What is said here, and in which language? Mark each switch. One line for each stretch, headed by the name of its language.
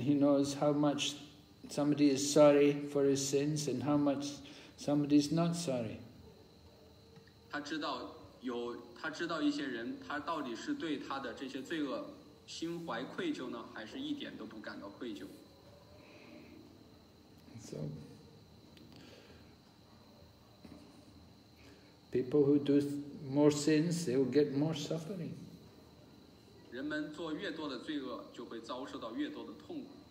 English: he knows how much somebody is sorry for his sins and how much somebody is not sorry.
Chinese: 他知道一些人他到底是对他的这些罪恶心怀愧疚呢，还是一点都不感到愧疚。
English: So people who do more sins, they will get more suffering.
Chinese: 人们做越多的罪恶就会遭受到越多的痛苦。